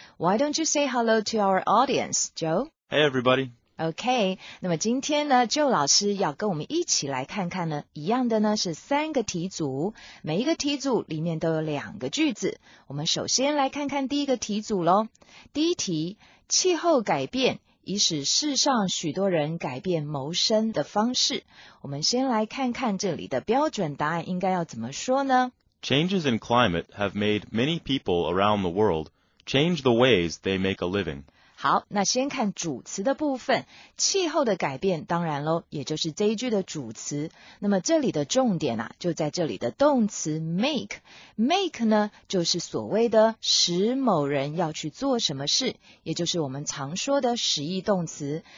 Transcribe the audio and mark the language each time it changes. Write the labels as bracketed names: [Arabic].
[English] Why don't you say hello to our audience, Joe? Hey, everybody. [Chinese] Okay, 那么今天呢 Joe 老师要跟我们一起来看看呢一样的呢是三个题组，每一个题组里面都有两个句子。我们首先来看看第一个题组咯。第一题，气候改变以使世上许多人改变谋生的方式。我们先来看看这里的标准答案应该要怎么说呢？ [English] Changes in climate have made many people around the world change the ways they make a living. [Chinese] 好，那先看主词的部分，气候的改变当然咯，也就是这一句的主词。那么这里的重点啊，就在这里的动词 make。 make 呢，就是所谓的使某人要去做什么事，也就是我们常说的使役动词。